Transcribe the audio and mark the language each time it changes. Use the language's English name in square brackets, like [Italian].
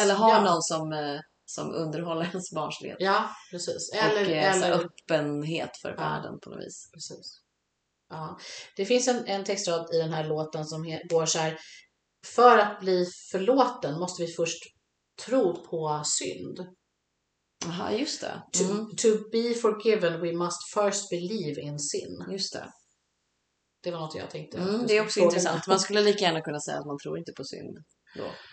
[Swedish] Eller har någon som underhåller ens barnslighet. Ja, precis. Eller öppenhet för världen på något vis. Precis. Ja. Det finns en textrad i den här låten som går så här: för att bli förlåten måste vi först tro på synd. Aha, just det. [English] To be forgiven we must first believe in sin. [Swedish] Just det. Det var något jag tänkte. Det är också intressant. Man skulle lika gärna kunna säga att man tror inte på synd då.